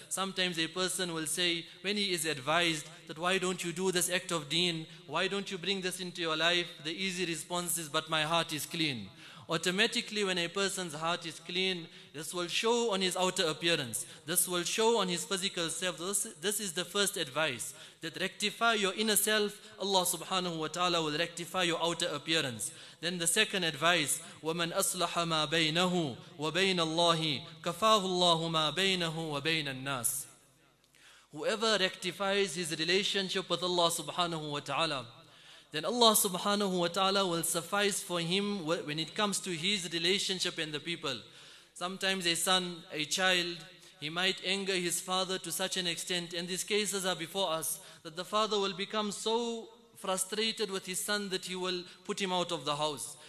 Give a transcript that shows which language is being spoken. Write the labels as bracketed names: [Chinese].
[English] Sometimes a person will say, when he is advised that why don't you do this act of deen, why don't you bring this into your life, the easy response is, but my heart is clean. Automatically, when a person's heart is clean, this will show on his outer appearance. This will show on his physical self. This is the first advice, that rectify your inner self, Allah subhanahu wa ta'ala will rectify your outer appearance. Then the second advice, [Arabic] وَمَنْ أَصْلَحَ مَا بَيْنَهُ وَبَيْنَ اللَّهِ كَفَاهُ اللَّهُ مَا بَيْنَهُ وَبَيْنَ النَّاسِ. [English] Whoever rectifies his relationship with Allah subhanahu wa ta'ala, then Allah subhanahu wa ta'ala will suffice for him when it comes to his relationship and the people. Sometimes a son, a child, he might anger his father to such an extent, and these cases are before us, that the father will become so frustrated with his son that he will put him out of the house.